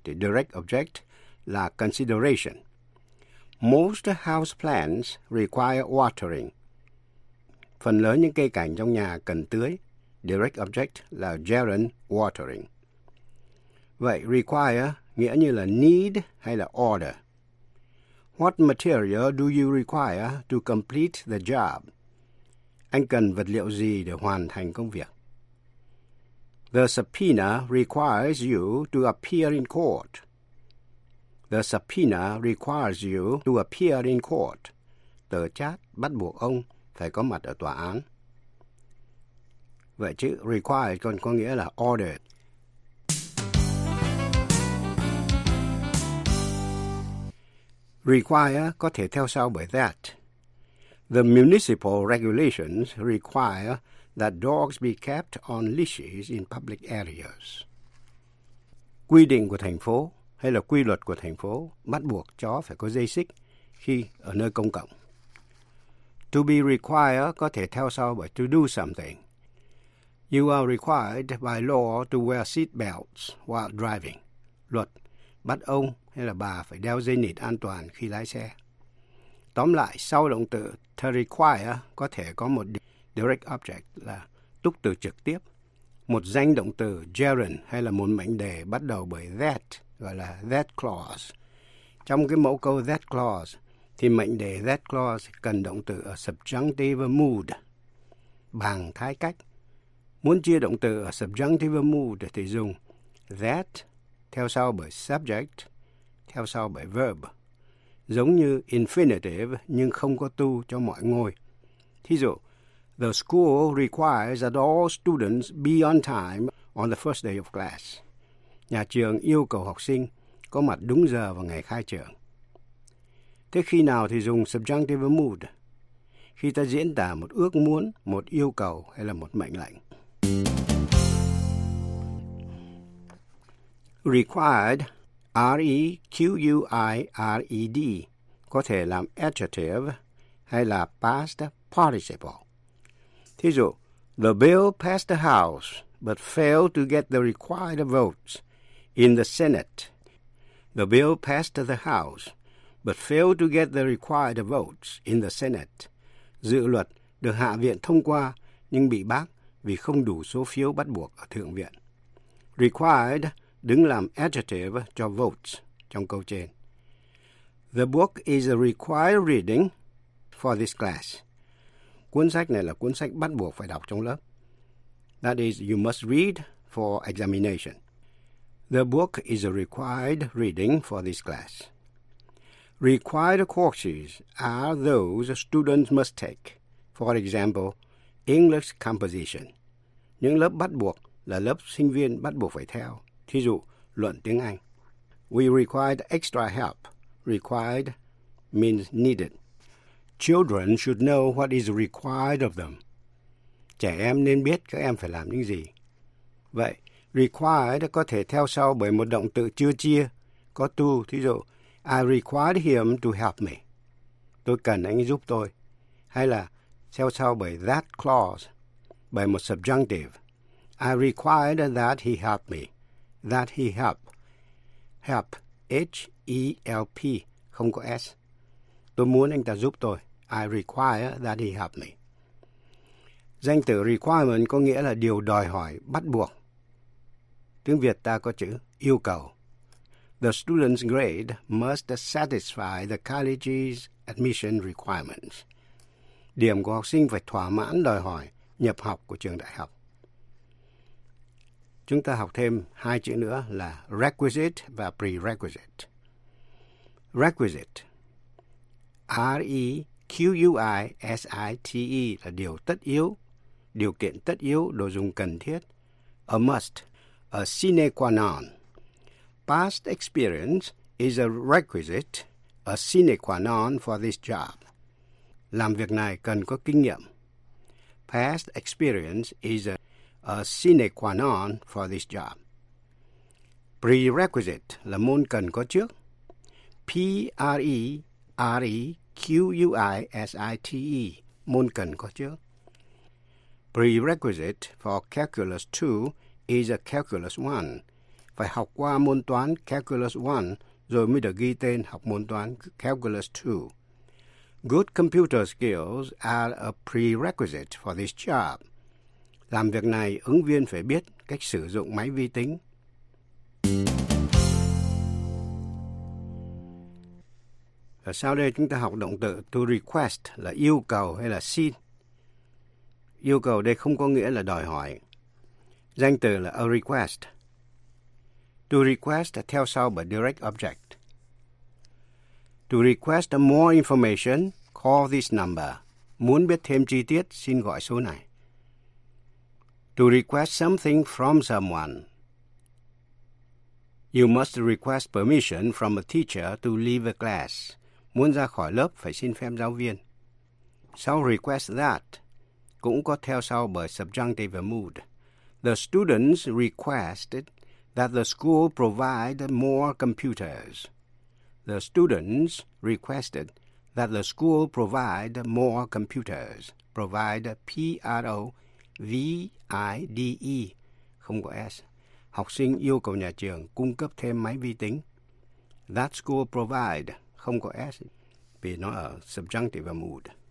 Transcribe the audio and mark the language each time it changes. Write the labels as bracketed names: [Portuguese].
[English] The direct object [Vietnamese] là [English] consideration. Most house plants require watering. [Vietnamese] Phần lớn những cây cảnh trong nhà cần tưới. [English] Direct object [Vietnamese] là [English] gerund watering. [Vietnamese] Vậy require nghĩa như là need hay là order. [English] What material do you require to complete the job? [Vietnamese] Anh cần vật liệu gì để hoàn thành công việc? [English] The subpoena requires you to appear in court. The subpoena requires you to appear in court. [Vietnamese] Tờ chát bắt buộc ông phải có mặt ở tòa án. Vậy chữ require còn có nghĩa là ordered. Require có thể theo sau bởi that. [English] The municipal regulations require that dogs be kept on leashes in public areas. [Vietnamese] Quy định của thành phố hay là quy luật của thành phố bắt buộc chó phải có dây xích khi ở nơi công cộng. [English] To be required [Vietnamese] có thể theo sau bởi [English] to do something. You are required by law to wear seat belts while driving. [Vietnamese] Luật bắt ông hay là bà phải đeo dây nịt an toàn khi lái xe. Tóm lại, sau động từ to require có thể có một direct object là túc từ trực tiếp. Một danh động từ gerund hay là một mệnh đề bắt đầu bởi that, gọi là that clause. Trong cái mẫu câu that clause, thì mệnh đề that clause cần động từ ở subjunctive mood, bằng thái cách. Muốn chia động từ ở subjunctive mood thì dùng that theo sau bởi subject, theo sau bởi verb. Giống như infinitive nhưng không có to cho mọi ngôi. Thí dụ, [English] the school requires that all students be on time on the first day of class. [Vietnamese] Nhà trường yêu cầu học sinh có mặt đúng giờ vào ngày khai trường. Thế khi nào thì dùng subjunctive mood? Khi ta diễn tả một ước muốn, một yêu cầu hay là một mệnh lệnh. Required, R-E-Q-U-I-R-E-D, có thể làm adjective hay là past participle. Thí dụ, [English] the bill passed the House but failed to get the required votes in the Senate. The bill passed the House but failed to get the required votes in the Senate. [Vietnamese] Dự luật được Hạ viện thông qua nhưng bị bác vì không đủ số phiếu bắt buộc ở Thượng viện. Required đứng làm adjective cho votes trong câu trên. [English] The book is a required reading for this class. [Vietnamese] Cuốn sách này là cuốn sách bắt buộc phải đọc trong lớp. [English] That is, you must read for examination. The book is a required reading for this class. Required courses are those students must take. For example, English composition. [Vietnamese] Những lớp bắt buộc là lớp sinh viên bắt buộc phải theo. Thí dụ, luận tiếng Anh. [English] We required extra help. Required means needed. Children should know what is required of them. [Vietnamese] Trẻ em nên biết các em phải làm những gì. Vậy, required có thể theo sau bởi một động từ chưa chia, có to. Thí dụ, [English] I required him to help me. [Vietnamese] Tôi cần anh ấy giúp tôi. Hay là theo sau bởi [English] that clause, [Vietnamese] bởi một [English] subjunctive. I required that he help me. that he help, H-E-L-P, [Vietnamese] không có S. Tôi muốn anh ta giúp tôi. [English] I require that he help me. [Vietnamese] Danh từ requirement có nghĩa là điều đòi hỏi, bắt buộc. Tiếng Việt ta có chữ yêu cầu. [English] The student's grade must satisfy the college's admission requirements. [Vietnamese] Điểm của học sinh phải thỏa mãn đòi hỏi nhập học của trường đại học. Chúng ta học thêm hai chữ nữa là requisite và prerequisite. Requisite, R-E-Q-U-I-S-I-T-E là điều tất yếu, điều kiện tất yếu, đồ dùng cần thiết. [English] A must, a sine qua non. Past experience is a requisite, a sine qua non for this job. [Vietnamese] Làm việc này cần có kinh nghiệm. [English] Past experience is a sine qua non for this job. [Vietnamese] Prerequisite là môn cần có trước. P-R-E-R-E-Q-U-I-S-I-T-E, môn cần có trước. [English] Prerequisite for Calculus 2 is a Calculus 1. [Vietnamese] Phải học qua môn toán Calculus 1 rồi mới được ghi tên học môn toán Calculus 2. [English] Good computer skills are a prerequisite for this job. [Vietnamese] Làm việc này, ứng viên phải biết cách sử dụng máy vi tính. Và sau đây chúng ta học động từ to request là yêu cầu hay là xin. Yêu cầu đây không có nghĩa là đòi hỏi. Danh từ là a request. [English] To request [Vietnamese] theo sau bởi [English] direct object. To request more information, call this number. [Vietnamese] Muốn biết thêm chi tiết, xin gọi số này. [English] To request something from someone. You must request permission from a teacher to leave a class. [Vietnamese] Muốn ra khỏi lớp, phải xin phép giáo viên. Sau request that, cũng có theo sau bởi subjunctive mood. [English] The students requested that the school provide more computers. The students requested that the school provide more computers. Provide, P-R-O-V-I-D-E, [Vietnamese] không có S. Học sinh yêu cầu nhà trường cung cấp thêm máy vi tính. [English] That school provide, [Vietnamese] không có S, vì nó ở subjunctive mood.